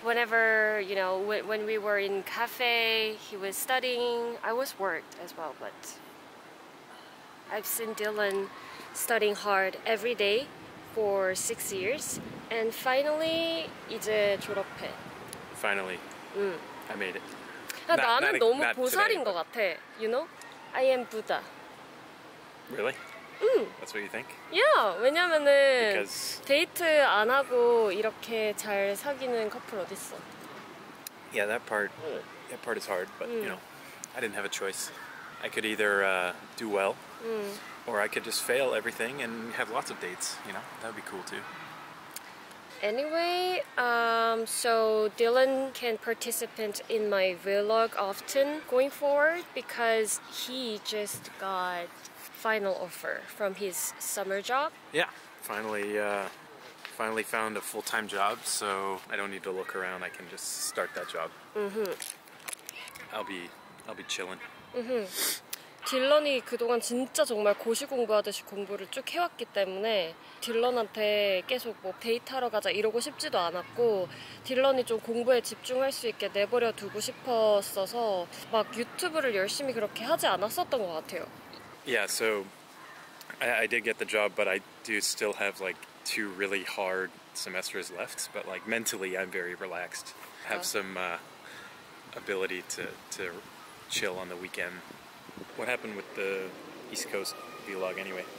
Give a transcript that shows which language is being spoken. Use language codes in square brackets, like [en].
[en] Whenever, you know, when we were in cafe, he was studying. I was worked as well, but I've seen Dylan studying hard every day for 6 years, and finally, [ko] 이제 졸업해. [en] Finally, I made it. [ko] 나는 너무 보살인 것 같아. [en] You know, I am Buddha. Really? [ko] 응. [en] That's what you think? Yeah. [ko] 왜냐면은 데이트 안 하고 이렇게 잘 사귀는 커플 어딨어? [en] Yeah, that part is hard, but you know, I didn't have a choice. I could either do well. Or I could just fail everything and have lots of dates, you know? That would be cool too. Anyway, so Dylan can participate in my vlog often going forward because he just got final offer from his summer job. Yeah, finally found a full-time job, so I don't need to look around. I can just start that job. Mm-hmm. I'll be chilling. Mm-hmm. [ko] 딜런이 그동안 진짜 정말 고시 공부하듯이 공부를 쭉 해왔기 때문에 딜런한테 계속 뭐 데이트하러 가자 이러고 싶지도 않았고 딜런이 좀 공부에 집중할 수 있게 내버려 두고 싶었어서 막 유튜브를 열심히 그렇게 하지 않았었던 것 같아요. [en] Yeah, so I did get the job, but I do still have like two really hard semesters left, but like mentally I'm very relaxed. I have some ability to chill on the weekend. What happened with the East Coast vlog anyway?